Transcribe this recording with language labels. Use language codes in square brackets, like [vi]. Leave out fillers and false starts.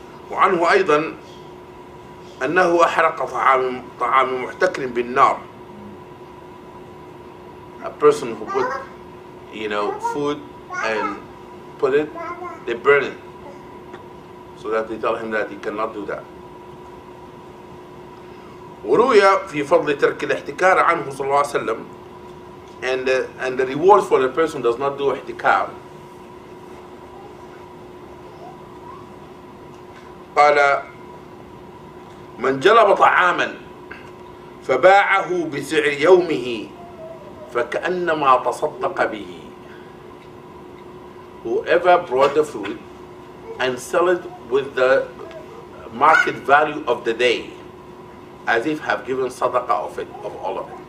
[ar] وعنه أيضا أنه أحرق طعام محتكر بالنار. [en] A person who put, you know, food and put it, they burn it. So that they tell him that he cannot do that. [ar] وروي في فضل ترك الاحتكار عنه صلى الله عليه وسلم [en] and the reward for the person does not do [ar] احتكار. قال من جلب طعاما فباعه بسعر يومه فكأنما تصدق به. [en] Whoever brought the food and sell it with the market value of the day as if have given sadaqah of it, of all of it.